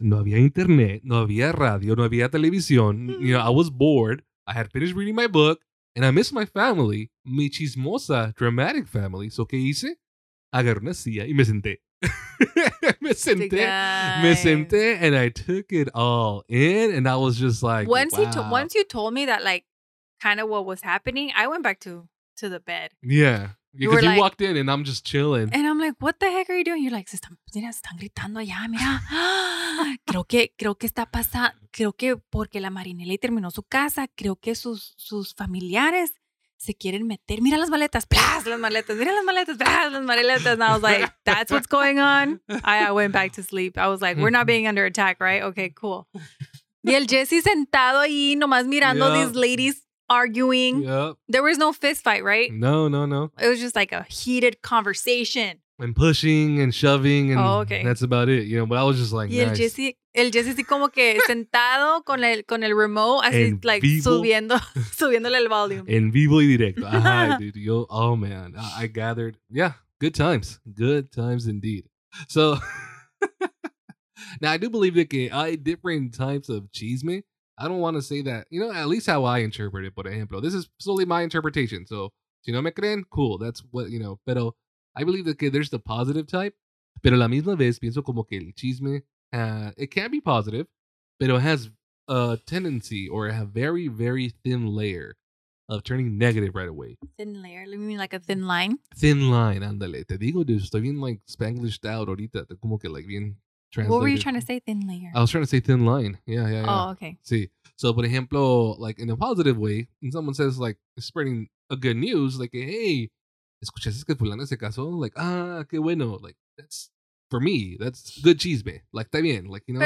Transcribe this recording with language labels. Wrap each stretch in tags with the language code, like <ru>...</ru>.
<es>No había internet, no había radio, no había televisión.</es> <en>I was bored. I had finished reading my book. And I miss my family, mi chismosa, dramatic family. So, ¿qué hice?</en> <es>Agarré una silla y me senté. me senté, and I took it all in.</es> <en>And I was just like, Once you told me that, kind of what was happening, I went back to the bed. Yeah. Because you walked in, and I'm just chilling. And I'm like, what the heck are you doing? You're like, se están gritando allá, mira.</en> <es>creo que está pasando. Creo que porque la Marinela terminó su casa, creo que sus familiares se quieren meter. Mira las maletas, ¡plas!</es> <en>Las maletas. And I was like, that's what's going on. I went back to sleep. I was like, we're not being under attack, right? Okay, cool.</en> <es>Y el Jesse sentado ahí nomás mirando these ladies arguing.</es> <en>Yep. There was no fist fight, right? No. It was just like a heated conversation. And pushing and shoving and that's about it, you know. But I was just like,</en> <es>y el</es> <en>nice.</en> <es>Jesse, el Jesse sí como que sentado con el remote, así en like vivo, subiéndole el volume. En vivo y directo. Ajá, dude. Yo, oh man, I gathered.</es> <en>Yeah, good times indeed. So now I do believe that different types of chisme. I don't want to say that, you know, at least how I interpret it. Por ejemplo, this is solely my interpretation. So si no me creen, cool. That's what you know. Pero I believe that there's the positive type, pero la misma vez pienso como que el chisme, it can be positive, pero it has a tendency or a very, very thin layer of turning negative right away. Thin layer? You mean like a thin line? Thin line, andale.</en> <es>Te digo, dude, estoy bien like Spanglished out ahorita, como que like bien translated.</es> <en>What were you trying to say, thin layer? I was trying to say thin line. Yeah. Oh, okay. Sí. So, por ejemplo, like in a positive way, when someone says like spreading a good news, like, hey, ¿escuchaste que fulano se casó? Like, ah, qué bueno. Like, that's, for me, that's good chisme. Like, está bien. Like, you know.</en>